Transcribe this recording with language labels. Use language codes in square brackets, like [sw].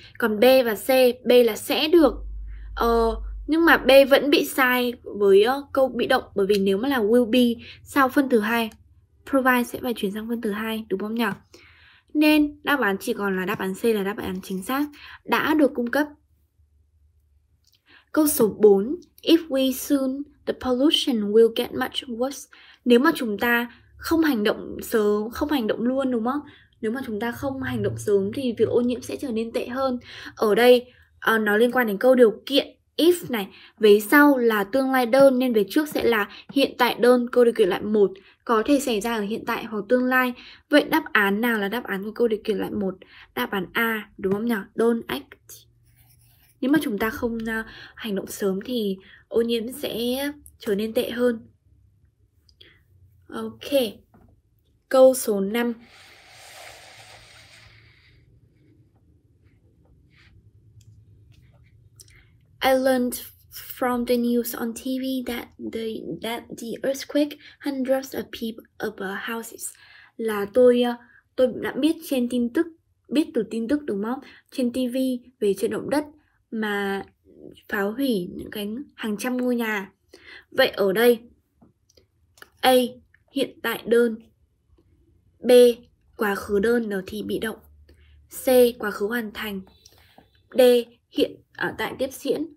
[vi] Còn B và C, B là sẽ được. Nhưng mà B vẫn bị sai với câu bị động, bởi vì nếu mà là will be sau phân từ 2, provide sẽ phải chuyển sang phân từ 2, đúng không nhỉ? Nên đáp án chỉ còn là đáp án C là đáp án chính xác, đã được cung cấp. Câu số 4. [en] If we soon, the pollution will get much worse. [vi] Nếu mà chúng ta không hành động sớm, không hành động luôn đúng không? Nếu mà chúng ta không hành động sớm thì việc ô nhiễm sẽ trở nên tệ hơn. Ở đây nó liên quan đến câu điều kiện if này, về sau là tương lai đơn nên về trước sẽ là hiện tại đơn, câu điều kiện lại 1, có thể xảy ra ở hiện tại hoặc tương lai. Vậy đáp án nào là đáp án của câu điều kiện lại 1? Đáp án A, đúng không nhỉ? [en] Don't act. [vi] Nếu mà chúng ta không hành động sớm thì ô nhiễm sẽ trở nên tệ hơn. Ok. Câu số 5. [en] I learned from the news on TV that the earthquake hundreds of people of houses. [vi] Là tôi đã biết trên tin tức, biết từ tin tức đúng không? Trên TV về trận động đất mà phá hủy những cái hàng trăm ngôi nhà. Vậy ở đây A hiện tại đơn, B quá khứ đơn, N thì bị động, C quá khứ hoàn thành, D hiện tại tiếp diễn.